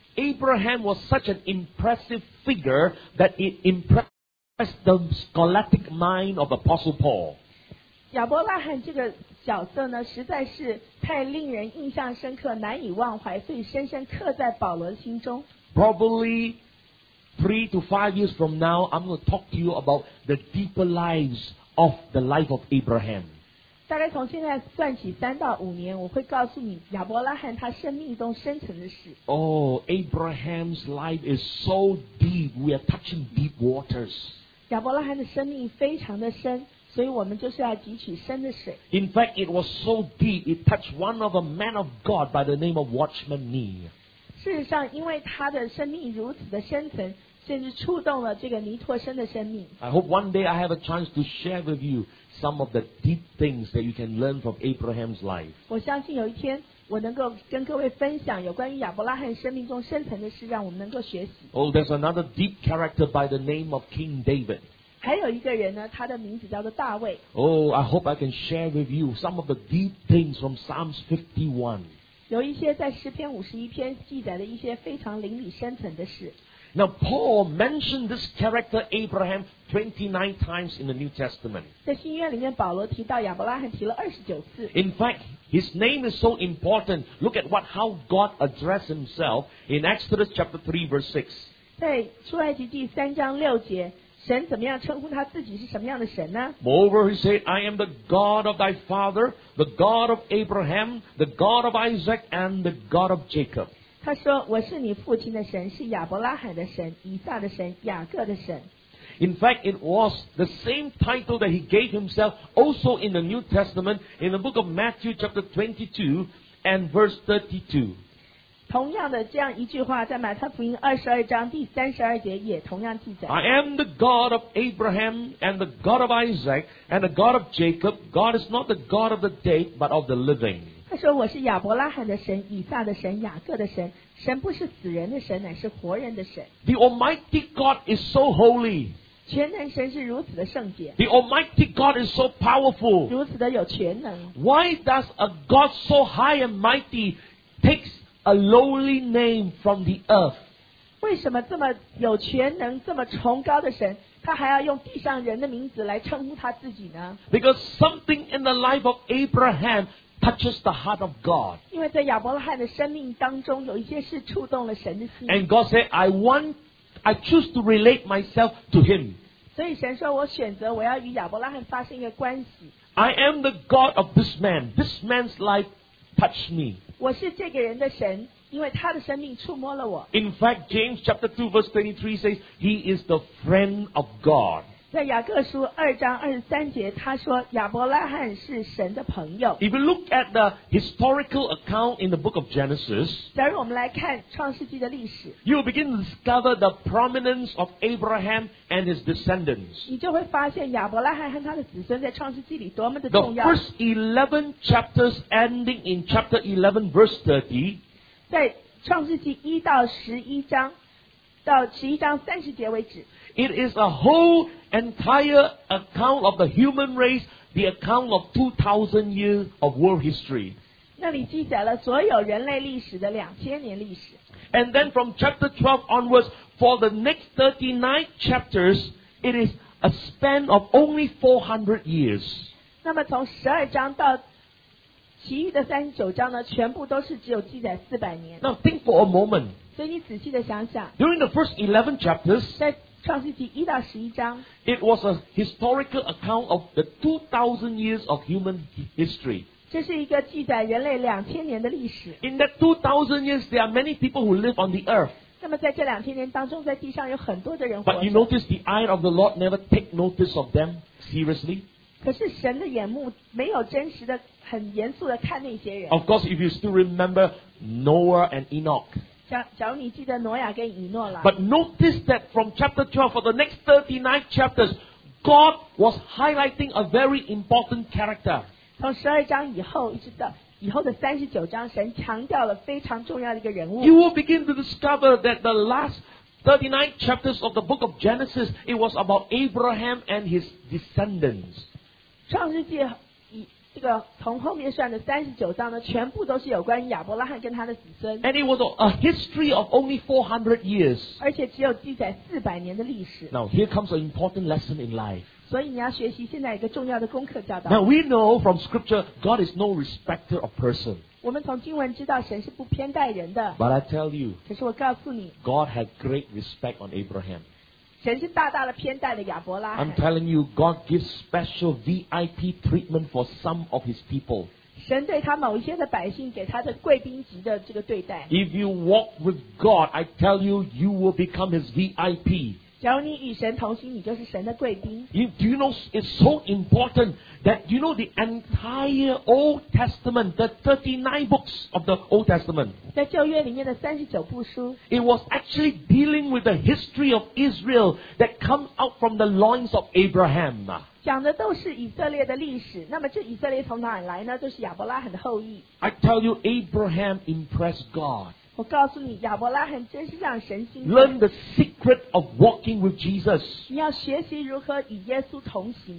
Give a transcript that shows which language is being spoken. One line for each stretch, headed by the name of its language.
English: Abraham was such an impressive figure that it impressed the scholastic mind of Apostle Paul.
Chinese: 亚伯拉罕这个角色呢，实在是太令人印象深刻，难以忘怀，所以深深刻在保罗的心中。
English: Probably 3 to 5 years from now, I'm going to talk to you about the deeper lives of the life of Abraham.
Chinese: 大概从现在算起3到5年，我会告诉你亚伯拉罕他生命中深层的事。
English: Oh, Abraham's life is so deep. We are touching deep waters.
Chinese: 亚伯拉罕的生命非常的深。所以我们就是要汲取深的水。
English: In fact, it was so deep, it touched one of a man of God by the name of Watchman Nee.
Chinese: 事实上，因为他的生命如此的深层，甚至触动了这个尼托生的生命。
English: I hope one day I have a chance to share with you some of the deep things that you can learn from Abraham's life.
Chinese: 我相信有一天我能够跟各位分享有关于亚伯拉罕生命中深层的事，让我们能够学习。
English: Oh, there's another deep character by the name of King David.
Chinese: 还有一个人呢，他的名字叫做大卫。
English: Oh, I hope I can share with you some of the deep things from Psalms 51.
Chinese: 有一些在诗篇51篇记载的一些非常灵里深层的事。
English: Now, Paul mentioned this character Abraham 29 times in the New Testament.
Chinese: 在新约里面，保罗提到亚伯拉罕提了29次。
English: In fact, his name is so important. Look at what, how God addressed himself in Exodus chapter 3, verse 6.
Chinese: 在出埃及记三章六节，神怎么样称呼他自己是什么样的神呢？
English: Moreover, he said, I am the God of thy father, the God of Abraham, the God of Isaac, and the God of Jacob.
Chinese: 他说，我是你父亲的神，是亚伯拉罕的神，以撒的神，雅各的神。
English: In fact, it was the same title that he gave himself also in the New Testament, in the book of Matthew chapter 22 and verse
Chinese: 同样的这样一句话，在马太福音22章第32节也同样记载。
English: I am the God of Abraham and the God of Isaac and the God of Jacob. God is not the God of the dead, but of the living.
Chinese: 他说我是亚伯拉罕的神，以撒的神，雅各的神。神不是死人的神，乃是活人的神。
English: The Almighty God is so holy.
Chinese: 全能神是如此的圣洁。
English: The Almighty God is so powerful.
Chinese: 如此的有全能。
English: Why does a God so high and mighty takes a lowly name from the earth?
Chinese: 为什么这么有权能、这么崇高的神，他还要用地上人的名字来称呼他自己呢？
English: Because something in the life of Abraham touches the heart of God.
Chinese: 因为在亚伯拉罕的生命当中，有一些事触动了神的心。
English: And God said, I choose to relate myself to him.
Chinese: 所以神说，我选择我要与亚伯拉罕发生一个关系。
English: I am the God of this man. This man's life touched me.
Chinese: 我是这个人的神，因为他的生命触摸了我。
English: In fact, James chapter 2 verse 23 says, He is the friend of God.
Chinese: 在雅各书2章23节，他说亚伯拉罕是神的朋友。
English: If you look at the historical account in the book of Genesis,
Chinese: 假如我们来看创世纪的历史，
English: you will begin to discover the prominence of Abraham and his descendants.
Chinese: 你就会发现亚伯拉罕和他的子孙在创世纪里多么的重要。
English: The first 11 chapters ending in chapter 11 verse 30,
Chinese: 在创世纪1到11章30节为止，
English: it is a whole entire account of the human race, the account of 2,000 years of world history.
Chinese: 那里记载了所有人类历史的2000年历史。
English: And then from chapter 12 onwards, for the next 39 chapters, it is a span of only 400 years.
Chinese: 那么从12章到其余的三十九章呢，全部都是只有记载四百年。
English: Now think for a moment.
Chinese: 所以你仔细的想想。
English: During the first 11 chapters,
Chinese: 在创世纪一到十一章
English: ，it was a historical account of the 2,000 years of human history.
Chinese: 这是一个记载人类两千年的历史。
English: In that 2,000 years, there are many people who live on the earth.
Chinese: 那么在这两千年当中，在地上有很多的人活着。
English: But you notice the eye of the Lord never take notice of them seriously.
Chinese: 可是神的眼目没有真实的、很严肃的看那些人。
English: Of course, if you still remember Noah and Enoch.
Chinese: 假如你记得挪亚跟以诺拉。
English: But notice that from chapter 12 for the next 39 chapters, God was highlighting a very important character.
Chinese: 从十二章以后一直到。以后的三十九章，神强调了非常重要的一个人物。
English: You will begin to discover that the last 39 chapters of the book of Genesis, it was about Abraham and his descendants.
Chinese: 创世纪这个从后面算的三十九章呢，全部都是有关亚伯拉罕跟他的子孙。
English: And it was a history of only 400 years.
Chinese: 而且只有记载四百年的历史。
English: Now here comes an important lesson in life.
Chinese: 所以你要学习现在一个重要的功课教导。
English: Now we know from Scripture, God is no respecter of person.
Chinese: 我们从经文知道神是不偏待人的。
English: But I tell you,
Chinese: 可是我告诉你
English: ，God had great respect on Abraham.
Chinese: 神是大大的偏待了亚伯拉罕。
English: I'm telling you, God gives special VIP treatment for some of His people.
Chinese: 神对他某一些的百姓给他的贵宾级的这个对待。
English: If you walk with God, I tell you, you will become His VIP.
Chinese: 假如你与神同行，你就是神的贵宾。
English: Do you know it's so important that you know the entire Old Testament, the 39 books of the Old Testament.
Chinese: 在旧约里面的三十九部书。
English: It was actually dealing with the history of Israel that come out from the loins of Abraham.
Chinese: 讲的都是以色列的历史。那么这以色列从哪里来呢？就是亚伯拉罕的后裔。
English: I tell you, Abraham impressed God.
Chinese: 我告诉你，亚伯拉罕真是让神心。
English: Learn the secret of walking with Jesus.
Chinese: 你要学习如何与耶稣同行。